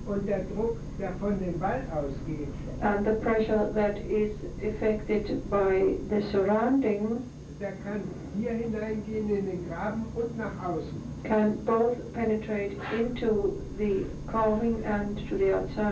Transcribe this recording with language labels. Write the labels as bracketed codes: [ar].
[de] Und der Druck, der von dem Ball ausgeht. [en] And the pressure that is affected by the surrounding, [de] der kann hier hineingehen in den Graben und nach außen. [en] Can both penetrate into the carving and to the outside.